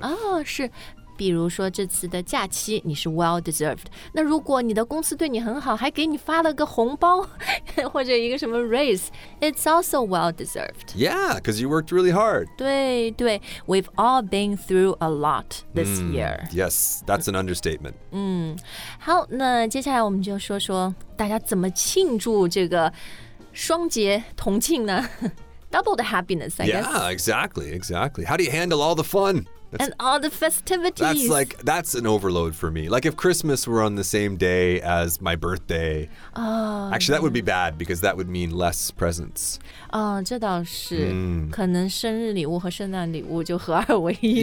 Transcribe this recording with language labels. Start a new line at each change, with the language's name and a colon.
Chinese: Oh, 是。比如说这次的假期你是
English: well deserved.
Chinese: 那如果你的公司对你很好还给你发了个红包或者一个什么
English: raise, it's also well deserved. Yeah, because you worked really hard.
Chinese: 对对。
English: We've all been through a lot this year. Yes, that's an understatement.
Chinese: 好，那接下来我们就说说大家怎么庆祝这个双节同庆呢？
English: Double the happiness, I guess. Yeah, exactly. How do you handle all the fun? And all the festivities. That's an overload for me. Like if Christmas were on the same day as my birthday. Actually, that would be bad because that would mean less presents.
Chinese: Oh, 这倒是。可能生日礼物和圣诞礼物就合二为一。